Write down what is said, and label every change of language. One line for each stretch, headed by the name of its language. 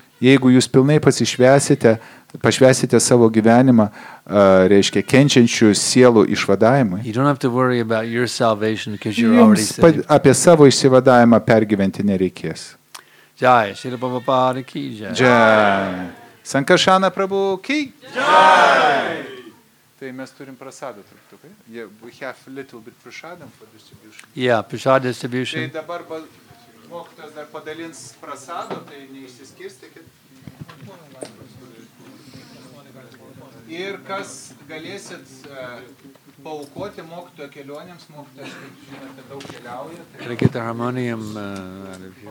Lithuanian: Jeigu jūs pilnai pašvesite savo gyvenimą, reiškia, kenčiančių sielų išvadavimui, jums apie savo išsivadavimą pergyventi nereikės.
Hindi: Jai, Srila Prabhupada ki jai. Jai. Sankaršana Prabhu ki. Jai.
Lithuanian: Tai mes turim prasadą truktukai.
English: Yeah, we have a little bit prasadam for distribution. Yeah, prasad distribution.
Lithuanian: Tai dabar mokytas dar padalins prasado, tai neišsiskirstykit. Ir kas galėsit paukoti mokytojo kelionėms, mokytas, kaip žinote, daug keliauja.
English: Tai can I get the harmonium out of here?